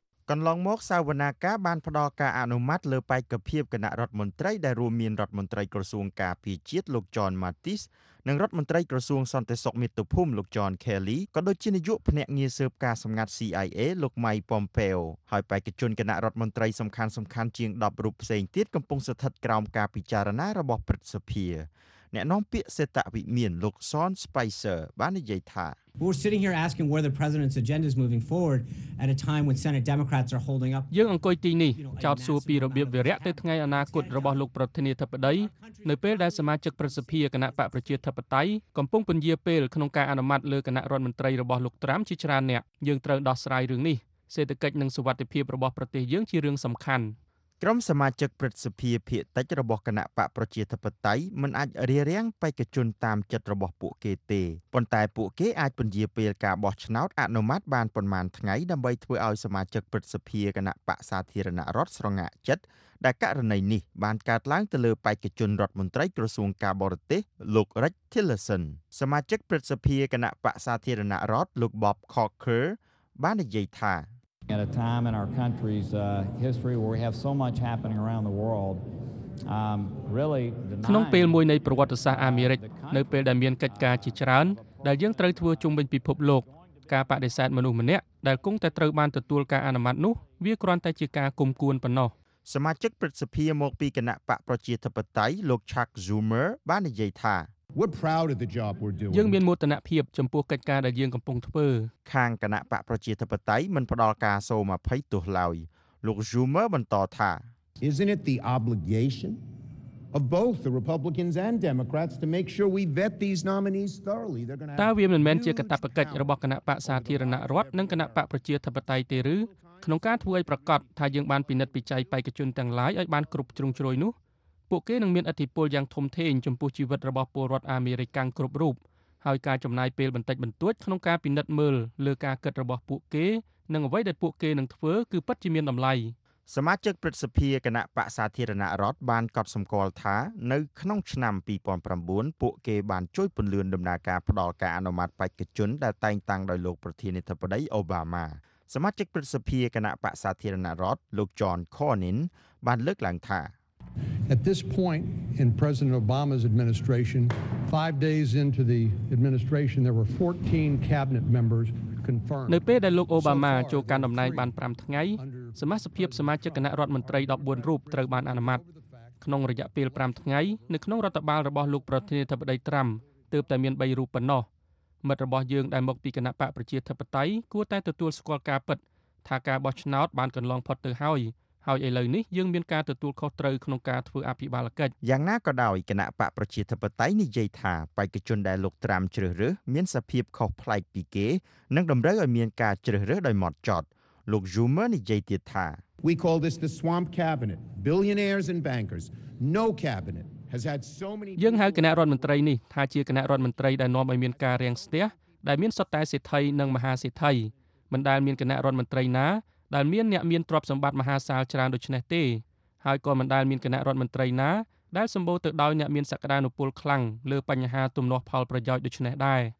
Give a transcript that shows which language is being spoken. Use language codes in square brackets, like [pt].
[km] កន្លងមកសាវនាកាបានផ្ដល់ការអនុម័តលើបេក្ខភាពគណៈរដ្ឋមន្ត្រីដែលរួមមានរដ្ឋមន្ត្រីក្រសួងការពារជាតិលោកចនម៉ាទីសនិងរដ្ឋមន្ត្រីក្រសួងសន្តិសុខមាតុភូមិលោកចនខេលីក៏ដូចជានាយកភ្នាក់ងារស៊ើបការណ៍សម្ងាត់ CIA លោកម៉ៃប៉ុំពេលហើយបេក្ខជនគណៈរដ្ឋមន្ត្រីសំខាន់ៗជាង10រូបផ្សេងទៀតកំពុងស្ថិតក្រោមការពិចារណារបស់ព្រឹទ្ធសភាអ្នកនាំពាក្យសេតវិមានលោកសនស្ប៉ៃសឺបាននិយាយថា [en] We're sitting here asking where the president's agenda is moving forward at a time when Senate Democrats are holding up. [km] យើងអង្គុយទីនេះចោទសួរពីរបៀបវារៈទៅថ្ងៃអនាគតរបស់លោកប្រធានាធិបតីនៅពេលដែលសមាជិកប្រសិទ្ធិគណៈបកប្រជាធិបតេយ្យកំពុងពន្យាពេលក្នុងការអនុម័តលើគណៈរដ្ឋមន្ត្រីរបស់លោកត្រាំជាច្រើនអ្នកយើងត្រូវដោះស្រាយរឿងនេះសេដ្ឋកិច្ចនិងសុវត្ថិភាពរបស់ប្រទេសយើងជារឿងសំខាន់ ក្រុមសមាជិកព្រឹទ្ធសភាភៀកតិចរបស់គណៈបកប្រជាធិបតេយ្យមិនអាចរារាំងបេក្ខជនតាមចិត្តរបស់ពួកគេទេប៉ុន្តែពួកគេអាចពន្យាពេលការបោះឆ្នោតអនុម័តបានប្រមាណថ្ងៃដើម្បីធ្វើឲ្យសមាជិកព្រឹទ្ធសភាគណៈបកសាធារណរដ្ឋស្រងាក់ចិត្តដែលករណីនេះបានកើតឡើងទៅលើបេក្ខជនរដ្ឋមន្ត្រីក្រសួងការបរទេសលោក Rex Tillerson សមាជិកព្រឹទ្ធសភាគណៈបកសាធារណរដ្ឋលោក Bob Corker បាននិយាយថា [en] At a time in our country's history where we have so much happening around the world, really [km] ក្នុងពេលមួយនៃប្រវត្តិសាស្ត្រអាមេរិកនៅពេលដែលមានកិច្ចការជាច្រើនដែលយើងត្រូវធ្វើជុំវិញពិភពលោកការបដិសេធមនុស្សម្នាក់ដែលគង់តែត្រូវបានទទួលការអនុម័តនោះវាគ្រាន់តែជាការគំគួនប៉ុណ្ណោះ សមាជិកព្រឹទ្ធសភាមកពីគណៈបកប្រជាធិបតេយ្យលោក Chuck Schumer បាននិយាយថា [en] We're proud of the job we're doing. [km] យើងមានមោទនភាពចំពោះកិច្ចការដែលយើងកំពុងធ្វើ ខាងគណៈបកប្រជាធិបតេយ្យមិនផ្ដល់ការសូម20ទោះឡើយលោក Schumer បន្តថា [en] Isn't it the obligation of both the Republicans and Democrats to make sure we vet these nominees thoroughly? They're going to [km] តើវាមិនមែនជាកាតព្វកិច្ចរបស់គណៈបកសាធារណរដ្ឋនិងគណៈបកប្រជាធិបតេយ្យទេឬក្នុងការធ្វើឲ្យប្រកាសថាយើងបានពិនិត្យពិច័យបេក្ខជនទាំងឡាយឲ្យបានគ្រប់ជ្រុងជ្រោយនោះពួកគេនឹងមានឥទ្ធិពលយ៉ាងធំធេងចំពោះជីវិតរបស់ពលរដ្ឋអាមេរិកកាំងគ្រប់រូបហើយការចំណាយពេលបន្តិចបន្តួចក្នុងការពិនិត្យមើលលើការគិតរបស់ពួកគេនិងអ្វីដែលពួកគេនឹងធ្វើគឺពិតជាមានតម្លៃ សមាជិកព្រឹទ្ធសភាគណៈបកសាធារណរដ្ឋបានកត់សម្គាល់ថានៅក្នុងឆ្នាំ2009ពួកគេបានជួយពន្លឿនដំណើរការផ្ដល់ការអនុម័តបេក្ខជនដែលតែងតាំងដោយលោកប្រធានាធិបតីអូបាម៉ាសមាជិកព្រឹទ្ធសភាគណៈបកសាធារណរដ្ឋលោក John Cornyn បានលើកឡើងថា [en] At this point in President Obama's administration, 5 days into the administration, there were 14 cabinet members confirmed. [km] នៅពេលដែលលោកអូបាម៉ាចូលកាន់តំណែងបាន5ថ្ងៃសមាជិកភាពសមាជិកគណៈរដ្ឋមន្ត្រី14រូបត្រូវបានអនុម័តក្នុងរយៈពេល5ថ្ងៃនៅក្នុងរដ្ឋបាលរបស់លោកប្រធានាធិបតីត្រាំទើបតែមាន3រូបប៉ុណ្ណោះមិត្តរបស់យើងដែលមកពីគណៈបកប្រជាធិបតេយ្យគួរតែទទួលស្គាល់ការពិតថាការបោះឆ្នោតបានកន្លងផុតទៅហើយហើយឥឡូវនេះយើងមានការទទួលខុសត្រូវក្នុងការធ្វើអភិបាលកិច្ច យ៉ាងណាក៏ដោយគណៈបកប្រជាធិបតេយ្យនិយាយថាបេក្ខជនដែលលោកត្រាំជ្រើសរើសមានសភាពខុសប្លែកពីគេនិងតម្រូវឲ្យមានការជ្រើសរើសដោយម៉ត់ចត់លោក Schumer និយាយទៀតថា [en] We call this the swamp cabinet billionaires and bankers no cabinet has had so many [km] យើងហៅគណៈរដ្ឋមន្ត្រីនេះថាជាគណៈរដ្ឋមន្ត្រីដែលនាំឲ្យមានការរាំងស្ទះដែលមានសុទ្ធតែសេដ្ឋីនិងមហាសេដ្ឋីមិនដែលមានគណៈរដ្ឋមន្ត្រីណាដែលមានអ្នកមានទ្រព្យសម្បត្តិមហាសាលច្រើនដូចនេះទេហើយក៏មិនដែលមានគណៈរដ្ឋមន្ត្រីណាដែលសម្បូរទៅដោយអ្នកមានសក្តានុពលខ្លាំងលើបញ្ហាទំនាស់ផលប្រយោជន៍ដូចនេះដែរ